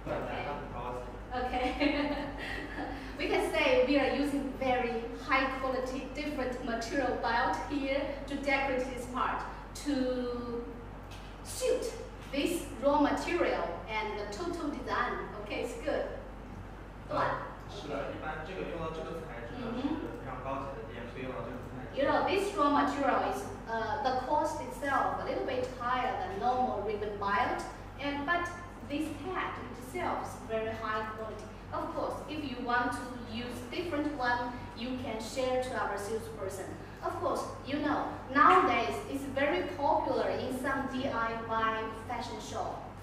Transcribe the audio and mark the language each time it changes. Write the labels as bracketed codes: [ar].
[zh] 再看一下这个这边的织带设计，比如说它是采用是什么？是一个缎带。缎带。缎带。Okay. [en] We can say we are using very high quality different material belt here to decorate this part to suit this raw material and the total design. Okay, it's good. [zh] 是的，一般这个用到这个材质呢是非常高级的，也可以用到这个材质。 [en] You know, this raw material is the cost itself a little bit higher than normal ribbon belt, and but this hat itself is very high quality. Of course, if you want to use different one, you can share to our salesperson. Of course, you know nowadays it's very popular in some DIY fashion show.